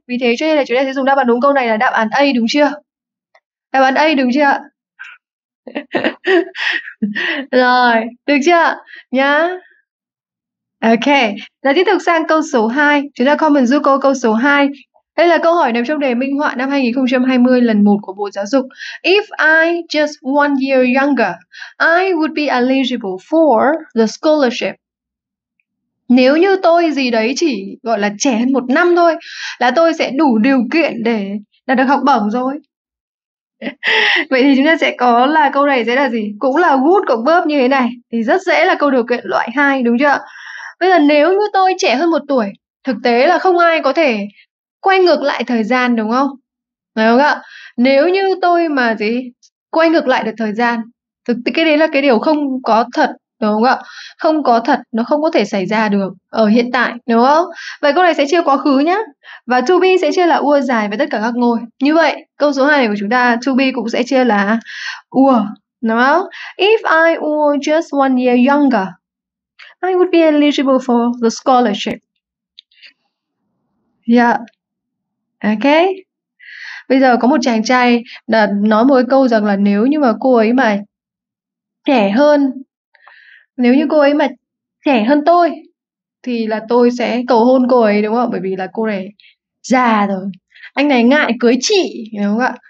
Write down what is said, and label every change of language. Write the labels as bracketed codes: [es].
[vi] Vì thế cho nên là chúng ta sẽ dùng đáp án đúng câu này là đáp án A, đúng chưa? Đáp án A, đúng chưa? Rồi, được chưa? Nhá. Ok, là tiếp tục sang câu số 2. Chúng ta comment giúp cô câu số 2. Đây là câu hỏi nằm trong đề minh họa năm 2020 lần 1 của Bộ Giáo dục. [en] If I just one year younger, I would be eligible for the scholarship. [vi] Nếu như tôi gì đấy chỉ gọi là trễ hơn một năm thôi là tôi sẽ đủ điều kiện để là được học bổng rồi. Vậy thì chúng ta sẽ có là câu này sẽ là gì? Cũng là would cộng verb như thế này thì rất dễ là câu điều kiện loại 2, đúng chưa? Bây giờ nếu như tôi trẻ hơn một tuổi, thực tế là không ai có thể quay ngược lại thời gian, đúng không? Đúng không ạ? Nếu như tôi mà gì quay ngược lại được thời gian, thực tế cái đấy là cái điều không có thật, đúng không ạ? Không có thật, nó không có thể xảy ra được ở hiện tại, đúng không? Vậy câu này sẽ chia quá khứ nhé. Và to be sẽ chia là ua dài với tất cả các ngôi. Như vậy, câu số 2 của chúng ta, to be cũng sẽ chia là ua, đúng không? [en] If I were just 1 year younger, I would be eligible for the scholarship. Yeah. Ok. [vi] Bây giờ có một chàng trai đã nói một câu rằng là nếu như mà cô ấy mà trẻ hơn, nếu như cô ấy mà trẻ hơn tôi thì là tôi sẽ cầu hôn cô ấy, đúng không? Bởi vì là cô này già rồi, anh này ngại cưới chị, đúng không ạ?